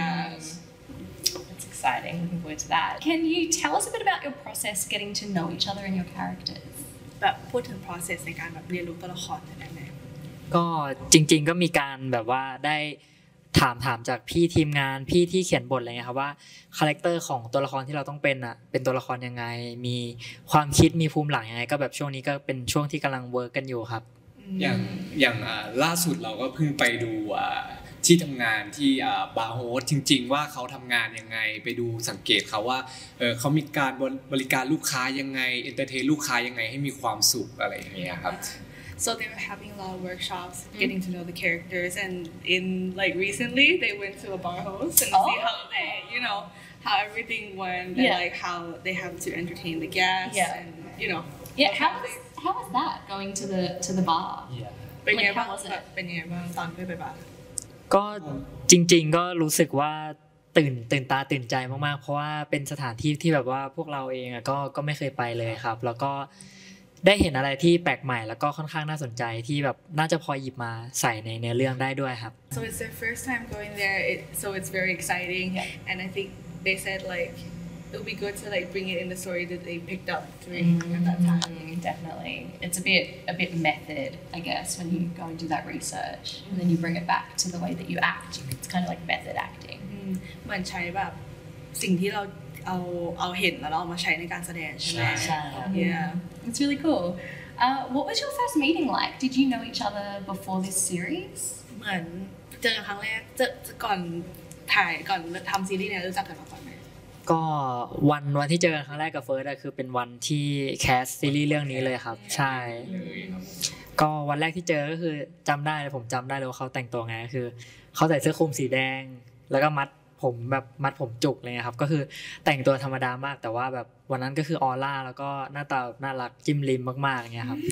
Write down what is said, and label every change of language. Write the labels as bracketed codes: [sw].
[en] that's exciting looking forward to that can you tell us a bit about your process getting to know each other and your characters but what the process [th] ในการแบบเรียนรู้ตัวละคร ก็จริงๆก็มีการแบบว่าได้ถามจากพี่ทีมงานพี่ที่เขียนบทอะไรเงี้ยครับว่าคาแรคเตอร์ของตัวละครที่เราต้องเป็นอ่ะเป็นตัวละครยังไงมีความคิดมีภูมิหลังยังไงก็แบบช่วงนี้ก็เป็นช่วงที่กําลังเวิร์คกันอยู่ครับ อย่างล่าสุดเราก็เพิ่งไปดูที่ทํางานที่บาร์โฮสจริงๆว่าเขาทํางานยังไงไปดูสังเกตเขาว่าเขามีการบริการลูกค้ายังไงเอนเตอร์เทนลูกค้ายังไงให้มีความสุขอะไรอย่างเงี้ยครับ [en] So they were having a lot of workshops, getting to know the characters, and in like recently they went to a bar host and see how they, you know, how everything went and like how they have to entertain the guests and you know. Yeah. How was that going to the bar? Yeah. Like, how was it? [th] เป็นไงบ้างตอนไปบาร์ก็จริงๆก็รู้สึกว่าตื่นตาตื่นใจมากๆเพราะว่าเป็นสถานที่ที่แบบว่าพวกเราเองก็ไม่เคยไปเลยครับแล้วก็ได้เห็นอะไรที่แปลกใหม่แล้วก็ค่อนข้างน่าสนใจที่แบบน่าจะพอหยิบมาใส่ในเนื้อเรื่องได้ด้วยครับ [en] So it's their first time going there so it's very exciting and I think they said like it would be good to like bring it in the story that they picked up during that time definitely it's a bit method I guess when you go and do that research and then you bring it back to the way that you act it's kind of like method acting [th] มันใช้แบบสิ่งที่เราเห็นแล้วเรามาใช้ในการแสดงใช่มั้ย ใช่ [en] yeah it's really cool what was your first meeting like did you know each other before this series [th] เหมือนเจอกันครั้งแรกจะก่อนถ่ายก่อนทําซีรีส์เนี่ยรู้จักกันมาก่อนมั้ย ก็วันที่เจอกันครั้งแรกกับเฟิร์สอ่ะคือเป็นวันที่แคสซีรีส์เรื่องนี้เลยครับใช่ก็วันแรกที่เจอก็คือจําได้เลยผมจําได้เลยว่าเขาแต่งตัวไงก็คือเขาใส่เสื้อคลุมสีแดงแล้วก็มัดผมจุกเลยครับก็คือแต่งตัวธรรมดามากแต่ว่าแบบวันนั้นก็คือออร่าแล้วก็หน้าตาน่ารักจิ้มลิ้มมากๆเงี้ยครับ